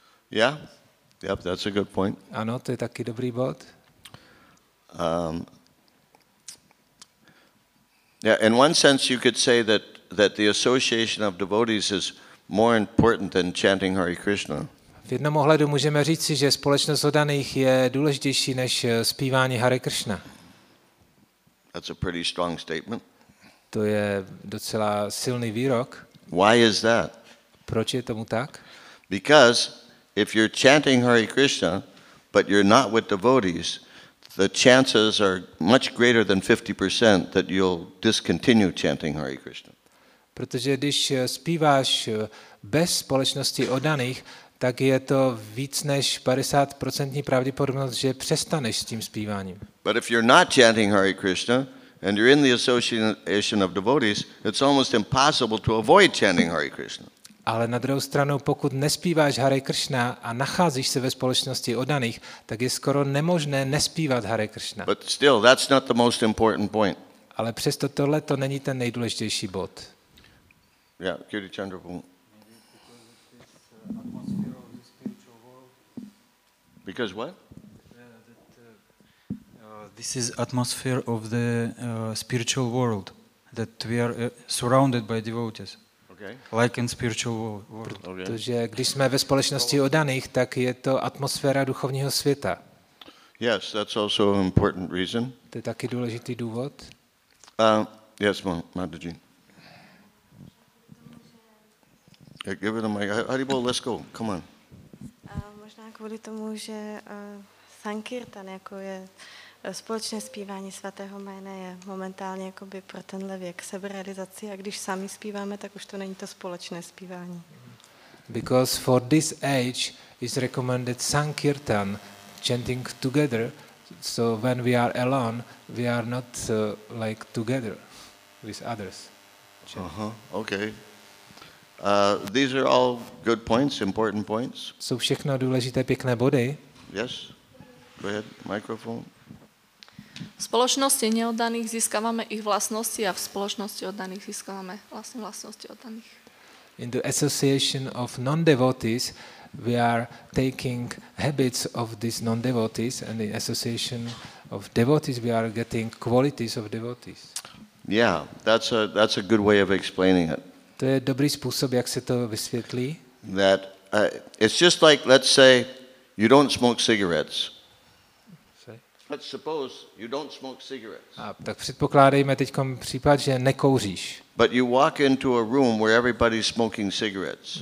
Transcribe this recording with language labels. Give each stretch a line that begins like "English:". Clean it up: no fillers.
English: Yeah. Yep, that's a good point.
Czech: Ano, to je taky dobrý bod.
English: Yeah, in one sense you could say that the association of devotees is more important than chanting Hare Krishna.
Czech: V jednom ohledu můžeme říci, že společnost oddaných je důležitější než zpívání Hare Krishna.
English: That's a pretty strong statement.
Czech: To je docela silný výrok.
English: Why is that?
Czech: Proč je tomu tak?
English: Because if you're chanting Hare Krishna, but you're not with devotees, the chances are much greater than 50% that you'll discontinue chanting Hare Krishna.
Czech: Protože když zpíváš bez společnosti oddaných, tak je to víc než 50% pravděpodobnost, že přestaneš s tím zpíváním.
English: But if you're not chanting Hare Krishna and you're in the association of devotees, it's almost impossible to avoid chanting Hare Krishna.
Czech: Ale na druhou stranu, pokud nespíváš Hare Krishna a nacházíš se ve společnosti oddaných, tak je skoro nemožné nespívat Hare Krishna.
English: But still, that's not the most important point.
Czech: Ale přesto tohle to není ten nejdůležitější bod.
English: Yeah, Kirti Chandrapur. Because what? This is atmosphere of the spiritual world that we are surrounded by devotees. Okay. Like in spiritual world.
Czech: Protože když jsme ve společnosti oddaných, tak je to atmosféra duchovního světa.
English: Yes, that's also an important reason.
Czech: To je taky důležitý důvod.
English: Yes, Mataji. Yeah, give it a mic. Haribol, let's go. Come on.
Czech: Možná kvůli tomu, že sankirtan, jako je společné zpívání svatého jména, je momentálně jakoby pro tenhle věk seberealizace, a když sami zpíváme, tak už to není to společné zpívání.
English: Because for this age is recommended sankirtan, chanting together, so when we are alone, we are not like together with others. Okay. These are all good points, important points.
Czech: Jsou všechno důležité, pěkné body.
English: Yes. Go ahead, microphone.
Czech: V společnosti neoddaných získáváme ich vlastnosti a v společnosti oddaných získáváme vlastní vlastnosti oddaných.
English: In the association of non-devotees, we are taking habits of these non-devotees, and in association of devotees, we are getting qualities of devotees. Yeah, that's a good way of explaining it.
Czech: To je dobrý způsob, jak se to vysvětlí.
English: That it's just like, let's say, you don't smoke cigarettes. Let's suppose you don't smoke cigarettes.
Czech: A tak předpokládejme teď případ, že nekouříš.
English: But you walk into a room where everybody's smoking cigarettes.